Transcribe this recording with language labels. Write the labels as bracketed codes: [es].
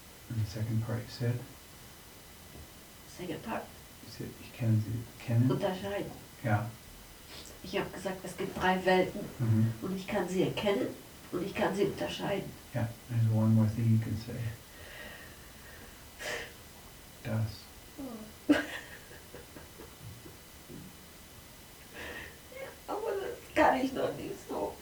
[en] And the second part you said? Second part. [de] Ich kann sie erkennen. Unterscheiden. Ja. Ich habe gesagt, es gibt drei Welten. Mhm. Und ich kann sie erkennen und ich kann sie unterscheiden. [en] Ja, there's one more thing you can say. [de] Das. Oh. Ja, aber das kann ich noch nicht so.